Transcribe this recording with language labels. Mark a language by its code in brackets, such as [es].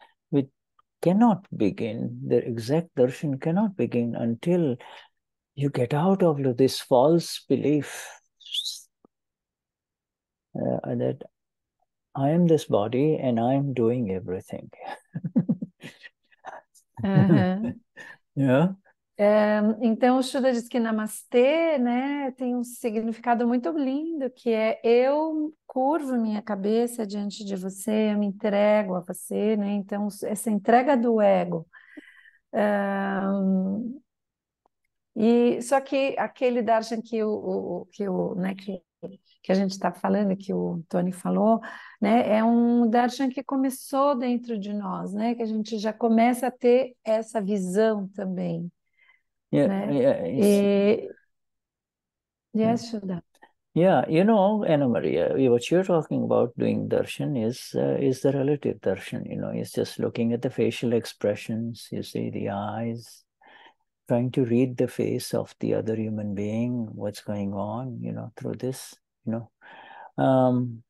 [en] We cannot begin, the exact darshan cannot begin until you get out of this false belief. That I am this body and I am doing everything. uh-huh. Yeah. [pt] Então, o Shuddha diz que namastê, né, tem um significado muito lindo, que é eu curvo minha cabeça diante de você, eu me entrego a você, né, então essa entrega do ego. E só que aquele darshan que a gente está falando, que o Tony falou, né, é um darshan que começou dentro de nós, né, que a gente já começa a ter essa visão também. [en] You know, Anna Maria, what you're talking about doing darshan is the relative darshan. You know, it's just looking at the facial expressions, you see the eyes, trying to read the face of the other human being, what's going on, you know, through this, you know.